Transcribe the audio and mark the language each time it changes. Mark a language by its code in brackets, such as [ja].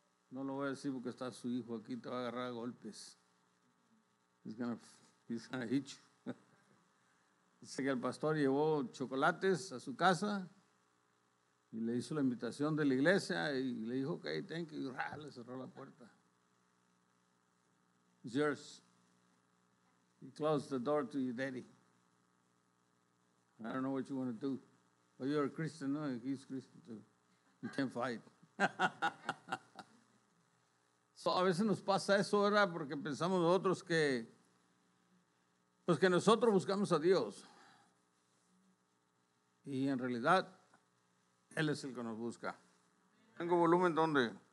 [es] No lo voy a decir porque está su hijo aquí, te va a agarrar a golpes. [en] He's gonna hit you. [es] Dice que el pastor llevó chocolates a su casa y le hizo la invitación de la iglesia y le dijo, [en] ok, thank you, [es] y le cerró la puerta. [en] It's yours. He closed the door to your daddy. I don't know what you want to do. But you're a Christian, no? He's Christian too. You can't fight. [es] So, a veces nos pasa eso, ¿verdad? Porque pensamos nosotros que, pues que nosotros buscamos a Dios. Y en realidad, Él es el que nos busca. ¿Tengo volumen dónde?